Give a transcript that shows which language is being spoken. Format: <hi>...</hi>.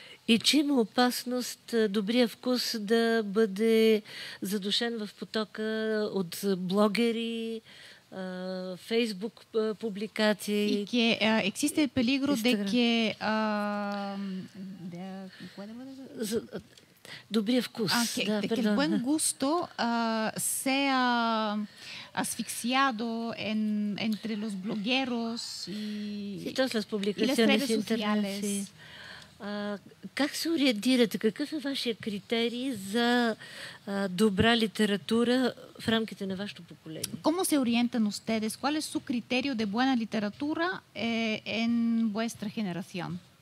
<bg>И че има опасност добрия вкус да бъде задушен в потока от блогери, Facebook публикации. И че</bg> <es>existe peligro de que</es> <bg>добрия вкус.</bg> <es>Que el buen gusto sea asfixiado entre los blogueros y todas las publicaciones internas.</es> <bg>Как се ориентирате? Какъв е вашия критерий за добра литература в рамките на вашето поколение?</bg> <es>¿Cómo se orientan ustedes? ¿Cuál es su criterio de buena literatura en vuestra generación?</es>